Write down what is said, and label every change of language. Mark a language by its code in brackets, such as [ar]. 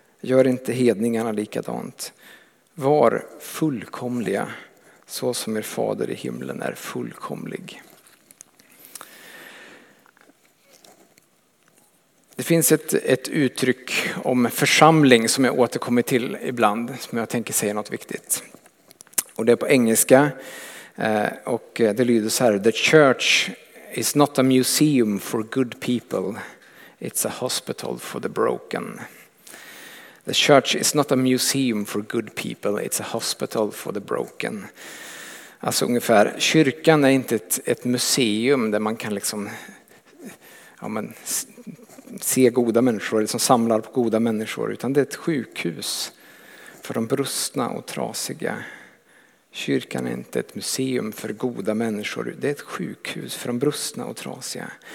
[sv] Gör inte hedningarna likadant. Var fullkomliga så som er fader i himlen är fullkomlig. Det finns ett uttryck om församling som jag återkommer till ibland. Som jag tänker säga något viktigt. Och det är på engelska. Och det lyder så här: [en] the church is not a museum for good people. It's a hospital for the broken. The church is not a museum for good people. It's a hospital for the broken. [sv] Alltså ungefär, kyrkan är inte ett museum där man kan liksom, ja, men, se goda människor, eller som samlar på goda människor. Utan det är ett sjukhus för de brustna och trasiga. Kyrkan är inte ett museum för goda människor. Det är ett sjukhus för de brustna och trasiga.